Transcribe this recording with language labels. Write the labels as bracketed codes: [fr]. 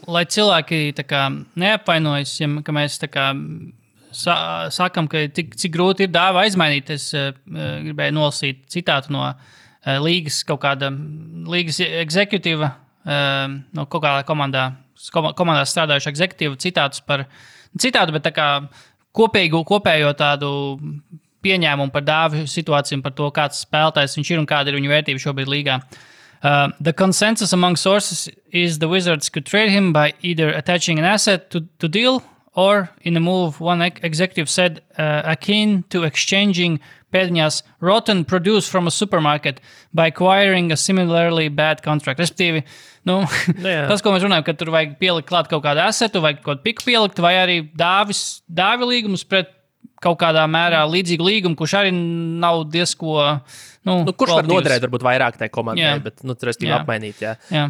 [lv] Lai cilvēki tā kā neapvainojas, ja, ka mēs tā kā sakam, ka cik grūti ir Dāvi aizmainīt, es gribēju nolasīt citātu no līgas kaut kāda, līgas ekzekutīva, no kaut kādā komandā strādājuša ekzekutīva citātu, bet tā kā kopējo tādu pieņēmumu par Dāvi situāciju un par to, kāds spēlētājs viņš ir un kāda ir viņa vērtība šobrīd līgā. [en] The consensus among sources is the Wizards could trade him by either attaching an asset to deal or in a move one executive said akin to exchanging Pedņas rotten produce from a supermarket by acquiring a similarly bad contract. [lv] Respektīvi, nu, tas, ko mēs runājam, ka tur vajag pielikt klāt kaut kādu asetu, vajag kaut piku pielikt, vai arī dāvi līgumus pret kaut kādā mērā līdzīgu līgumu, kurš arī nav diezko, nu, nu kurš var noderēt varbūt vairāk tai komandai, bet, nu, tur esmu apmainīt, jā.